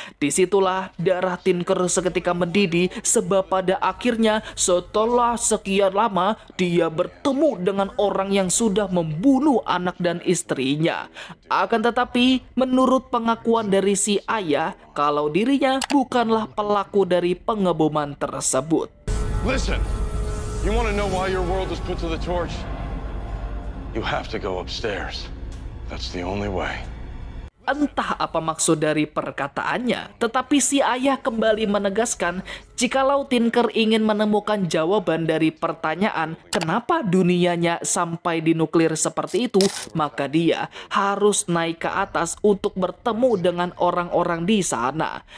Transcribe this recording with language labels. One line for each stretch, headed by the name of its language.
Indonesian: Disitulah darah Tinker seketika mendidih sebab pada akhirnya setelah sekian lama dia bertemu dengan orang yang sudah membunuh anak dan istrinya. Akan tetapi menurut pengakuan dari si ayah kalau dirinya bukanlah pelaku dari pengeboman tersebut.
English: Listen, you want to know why your world is put to the torch? You have to go upstairs. That's the only way.
Indonesian: Entah apa maksud dari perkataannya, tetapi si ayah kembali menegaskan jikalau Tinker ingin menemukan jawaban dari pertanyaan kenapa dunianya sampai dinuklir seperti itu, maka dia harus naik ke atas untuk bertemu dengan orang-orang di sana.